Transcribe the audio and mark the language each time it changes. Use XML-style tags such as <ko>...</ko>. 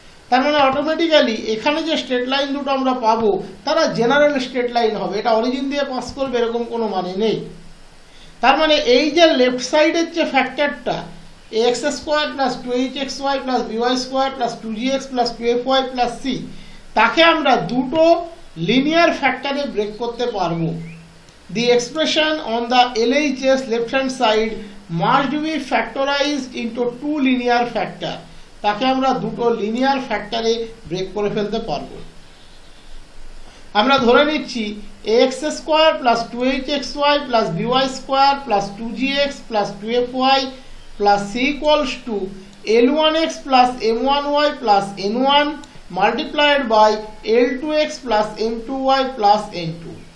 <bn>তার মানে অটোমেটিক্যালি এখানে যে স্ট্রেট লাইন দুটো আমরা পাবো তারা জেনারেল স্ট্রেট লাইন হবে, এটা অরিজিন দিয়ে পাস করবে এরকম কোনো মানে নেই। তার মানে এই যে লেফট সাইডের যে ফ্যাক্টরটা x square plus two H x Y plus by square plus two G x plus two F Y plus C তাকে আমরা দুটো লিনিয়ার ফ্যাক্টরে ব্রেক করতে পারবো।</bn> <en>The expression on the LHS left hand side must be factorized into two linear factor.</en> <bn>তাকে আমরা দুটো linear ফ্যাক্টরে break করে ফেলতে পারবো। আমরা ধরে নিচ্ছি x square plus two H x Y plus by square plus two G x plus two F Y plus C equals to L one x plus M one Y plus N one multiplied by L two x plus M two Y plus N two.</bn>